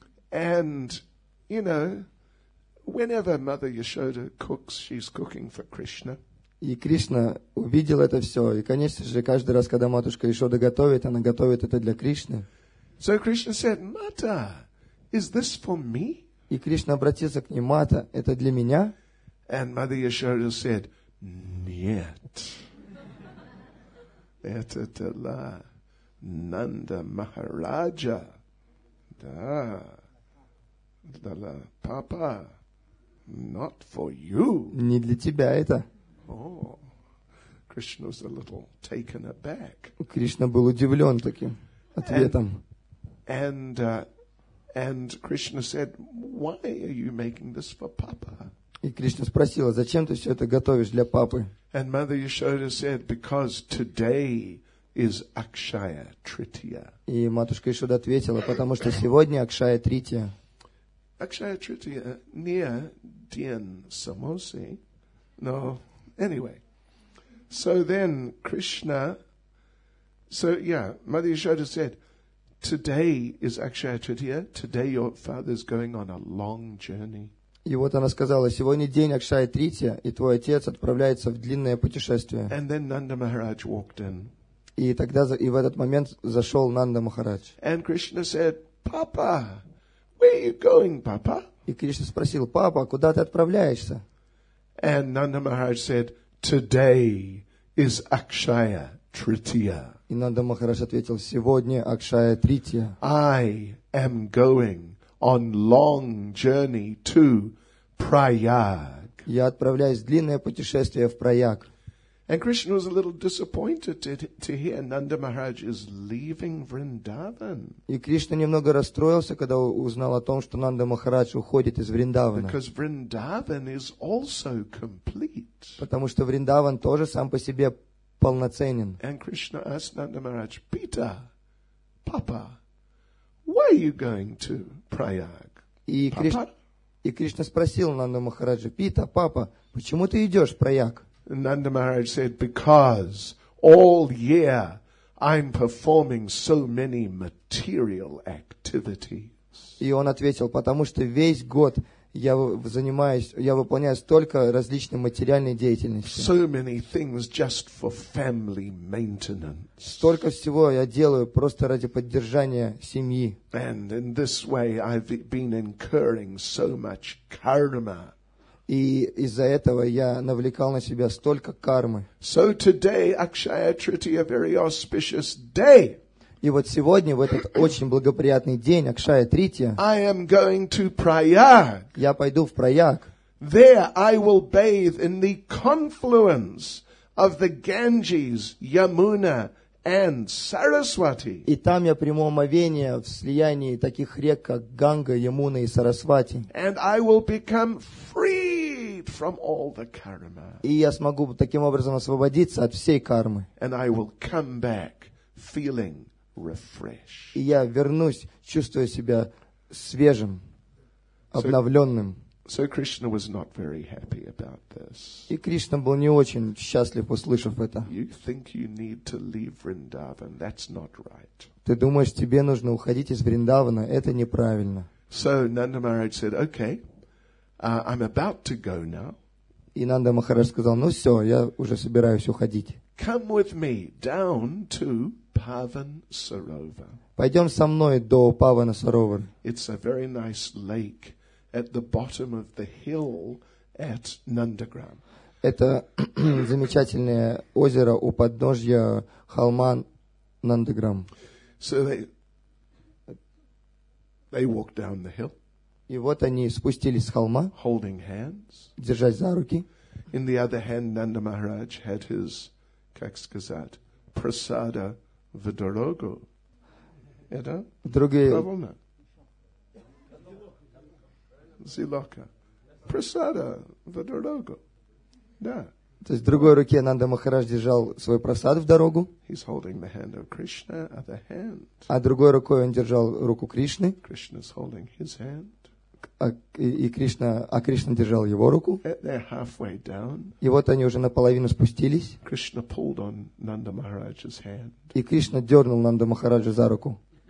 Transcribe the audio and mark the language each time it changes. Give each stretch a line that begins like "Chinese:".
English: And, you know, whenever Mother Yashoda cooks, she's cooking for Krishna.
Russian: И Кришна увидел это все. И, конечно же, каждый раз, когда Матушка Ишода готовит, она готовит это для Кришны.
English: So Krishna said, Mata, is this for me?
Russian: И Кришна обратился к ней, Мата, это для меня?
English: And Mother Yashoda said, нет.
Russian: Это дела Нанда Махараджа. Да. Дела папа.
English: Not for you.
Russian: Не для тебя это.
English: Oh. Krishna was a little taken aback.
Russian: Кришна был удивлен таким ответом.
English: And Krishna said, "Why are you making this for Papa?"
Russian: И Кришна спросила, зачем ты все это готовишь для папы?
English: And Mother Yashoda said, "Because today is Akshaya Tritiya."
Russian: И матушка Ишода ответила, потому что сегодня Акшая Тритья.
English: Akshaya Tritiya near Dien Samosi. No, anyway. So then Krishna. So yeah, Mother Yashoda said. Today is Akshaya Tritiya. Today your father is going on a long journey.
Russian: И вот она сказала: сегодня день Акшая Тритья, и твой отец отправляется в длинное путешествие.
English: And then Nanda Maharaj walked in.
Russian: И тогда и в этот момент зашел Нанда Махарадж.
English: And Krishna said, "Papa, where are you going, Papa?"
Russian: И Кришна спросил: папа, куда ты отправляешься?
English: And Nanda Maharaj said, "Today is Akshaya Tritiya."
Russian: И Нанда Махарадж ответил, сегодня Акшая Тритья.
English: I am going on long journey to Prayag.
Russian: Я отправляюсь в длинное путешествие в Прайаг.
English: And Krishna was a little disappointed to hear Nanda Maharaj is leaving Vrindavan.
Russian: И Кришна немного расстроился, когда узнал о том, что Нанда Махарадж уходит из Вриндавана.
English: Because Vrindavan is also complete.
Russian: Потому что Вриндаван тоже сам по себе полноценен.
English: And Krishna asked Nanda Maharaj, Peter, Papa, where are you going to, Prayag?
Russian: И Кришна спросил Нанда Махараджа: Пита, папа, почему ты идешь в Прайаг?
English: Нанда Махарадж said, because all year I'm performing so many material activities.
Russian: И он ответил: потому что весь год я выполняю столько различной материальной деятельности.
English: So many things just for family maintenance.
Russian: Столько всего я делаю просто ради поддержания семьи.
English: And in this way I've been incurring so much karma.
Russian: И из-за этого я навлекал на себя столько кармы.
English: So today Akshaya Tritiya, a very auspicious day.
Russian: И вот сегодня, в этот очень благоприятный день, Акшая Тритья,
English: I am going to Prayag.
Russian: Я пойду в Прайаг.
English: There I will bathe in the confluence of the Ganges, Yamuna and Saraswati.
Russian: И там я приму омовение в слиянии таких рек, как Ганга, Ямуна и Сарасвати.
English: And I will become freed from all the karma.
Russian: И я смогу таким образом освободиться от всей кармы.
English: And I will come back feeling refresh.
Russian: И я вернусь, чувствуя себя свежим, обновленным.
English: So Krishna was not very happy about this.
Russian: И Кришна был не очень счастлив, услышав это.
English: You think you need to leave Vrindavan? That's not right.
Russian: Ты думаешь, тебе нужно уходить из Вриндавана? Это неправильно.
English: So Nanda Maharaj said, okay, I'm about to go now.
Russian: И Нанда Махарадж сказал: ну все, я уже собираюсь уходить.
English: Come with me down to Pavan Sarovar.
Russian: Пойдем со мной до Павана Саровар.
English: It's a very nice lake at the bottom of the hill at Nandagram.
Russian: Это замечательное озеро у подножья холма Нандаграм.
English: So they walked down the hill.
Russian: И вот они спустились с холма,
English: holding hands.
Russian: Держась за руки.
English: In the other hand, Nanda Maharaj had his,
Russian: как сказать,
English: prasada.
Russian: В дорогу. Это? Другие. Зилока. Прасада в дорогу. Да. То есть в другой руке Нанда Махарадж держал свой прасад в дорогу.
English: He's holding the hand of Krishna, other hand.
Russian: А другой рукой он держал руку Кришны.
English: Krishna's holding his hand.
Russian: А Кришна держал его руку.
English: Down,
Russian: и вот они уже наполовину спустились.
English: Krishna pulled on Nanda Maharaj's hand.
Russian: И Кришна дернул Нанда Махараджа за руку.